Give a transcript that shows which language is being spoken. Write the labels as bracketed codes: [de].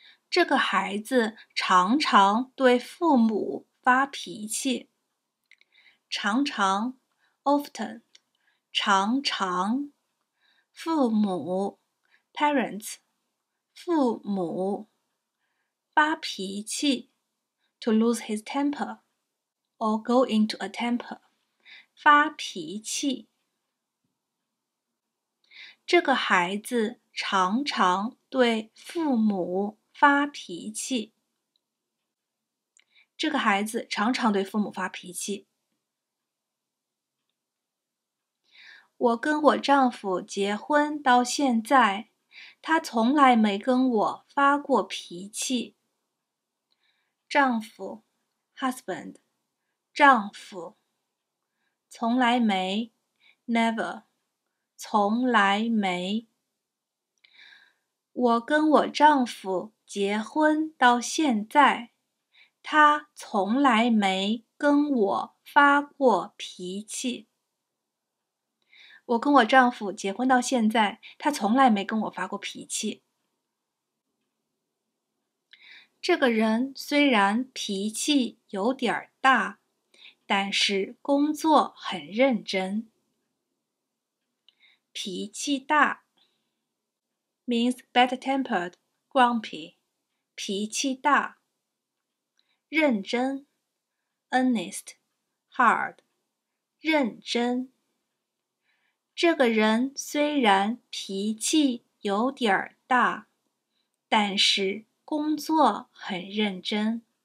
[zh] 这个孩子常常对父母发脾气。常常 often， 常常。父母 parents， 父母。 [en] 发脾气 to lose his temper or go into a temper， 发脾气。 [zh] 这个孩子常常对父母发脾气。这个孩子常常对父母发脾气。我跟我丈夫结婚到现在，他从来没跟我发过脾气。丈夫 husband， 丈夫。从来没 never， 从来没。我跟我丈夫结婚到现在，他从来没跟我发过脾气。我跟我丈夫结婚到现在，他从来没跟我发过脾气。这个人虽然脾气有点大，但是工作很认真。 [en] 脾气大 means bad tempered, grumpy， 脾气大。认真 earnest, hard， 认真。 [zh] 这个人虽然脾气有点大，但是工作很认真。